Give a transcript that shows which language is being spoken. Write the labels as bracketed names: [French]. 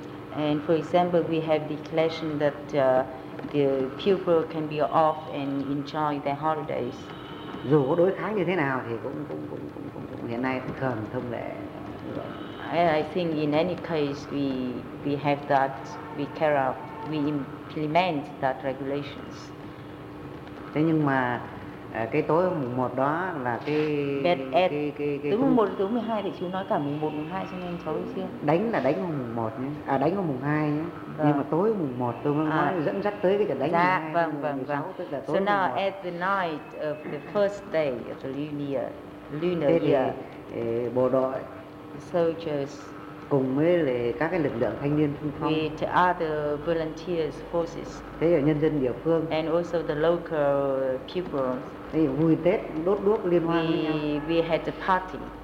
[English] And for example, we have declaration that the pupil can be off and enjoy their holidays. [Vietnamese] Dù có đối kháng như thế nào thì cũng hiện nay cũng thường thông lệ. [English] I think in any case we have that, we carry out we implement that regulations. [Vietnamese] Thế nhưng mà cái tối mùng 1 đó là cái tối 12 thì chú nói cả mùng 1 mùng 2 cho nên cháu chưa. Đánh là đánh mùng 1 nhé. À đánh vào mùng 2 nhé. Vâng. Nhưng mà tối mùng 1 tôi mới nói dẫn dắt tới cái trận đánh dạ, mùng 2. Vâng, vâng, 16, vâng. Tức là tối [English] so now at the night of the first day of the lunar year. [Vietnamese] Thì bộ đội [English] soldiers [Vietnamese] cùng với lại các cái lực lượng thanh niên xung phong. [English] With other volunteers forces. [Vietnamese] Thế là nhân dân địa phương. [English] And also the local people. [Vietnamese] Thì vui Tết đốt đuốc liên hoan với nhau. [English] We had a party.